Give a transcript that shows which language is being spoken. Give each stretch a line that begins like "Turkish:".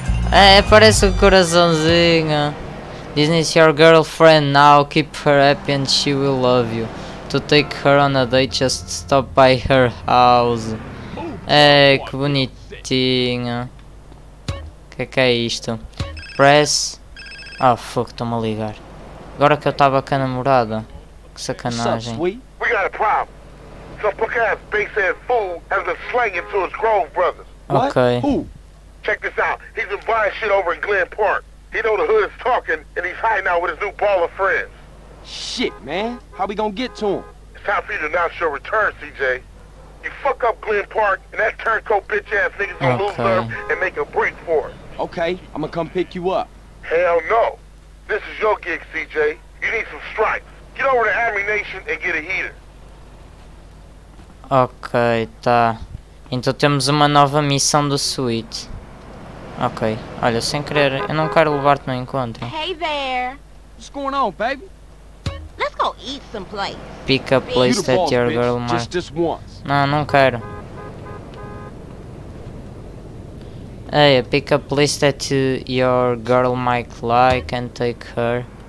Portuguese: É, parece um coraçãozinho.
English: Disney is your girlfriend now. Keep her happy and she will love you. To take her on a date, just stop by her house.
Portuguese: É, que bonitinho. Que é isto? Press. Ah, oh, fuck, estou-me a ligar. Agora que eu estava com a namorada. Que sacanagem.
English: We got a problem. Some puck-ass, big-head fool has been slanging to his Grove brothers. Ok. Who? Check this out. He's been buying shit over in Glen Park. He know the hood's talking, and he's hiding out with his new ball of friends. Shit, man. How we gonna get to him? It's time for you to announce your return, CJ. You fuck up Glen Park, and that turncoat bitch-ass nigga's gonna lose her and make a break for it. Okay, I'm gonna come pick you up. Hell no. This is your gig, CJ. You need some stripes. Get over to Army Nation and get a heater.
Portuguese: Ok, tá. Então temos uma nova missão do Sweet. Ok. Olha, sem querer, eu não quero levar-te no encontro.
English: Hey there. What's going on, baby? Let's go eat some place. Pick a place that your girl might.
Portuguese: Não, não quero.
English: Hey, pick a place that your girl might like and take her.